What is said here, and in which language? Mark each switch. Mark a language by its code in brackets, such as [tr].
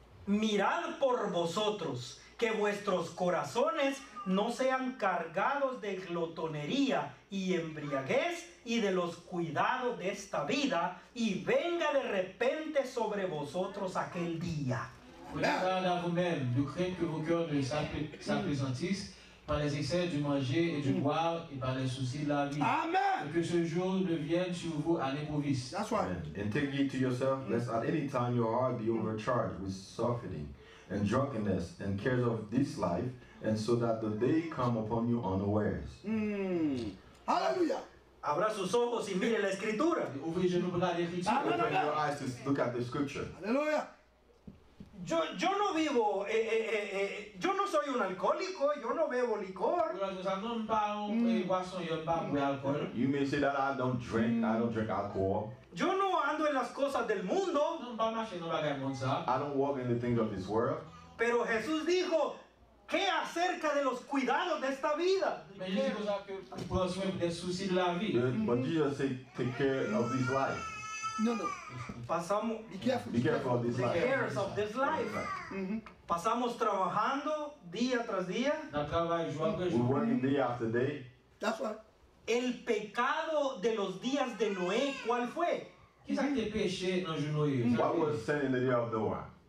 [es] Mirad por vosotros que vuestros corazones no sean cargados de glotonería y embriaguez y de los cuidados de esta vida y venga de repente sobre vosotros aquel día. [fr] Prenez à vous-même, de craindre que vos cœurs ne s'appesantissent par les excès du manger et du boire et par les soucis de la vie. [en] Amen. [fr] Et que ce jour ne vienne sur vous à l'improviste. [en] That's right. And take heed to yourself, lest at any time your heart be overcharged with suffering and drunkenness and cares of this life, and so that the day come upon you unawares. Hallelujah. [es] Abra sus ojos y mire la escritura. [en] Open your eyes to look at the scripture. Hallelujah. [es] Yo no vivo, yo no soy un alcohólico, yo no bebo licor. [en] You may say that I don't drink alcohol. [es] Yo no ando en las cosas del mundo. [en] I don't walk in the things of this world. [es] Pero Jesús dijo, ¿qué acerca de los cuidados de esta vida? [en] But Jesus said, take care of this life. [es] No. [en] Be careful of this life. The cares of this life. Mm-hmm. [es] Pasamos trabajando día tras día. [en] We're working day after day. That's right. [es] El pecado de los días de Noé, ¿cuál fue? [en] What was sin in the day of Noah?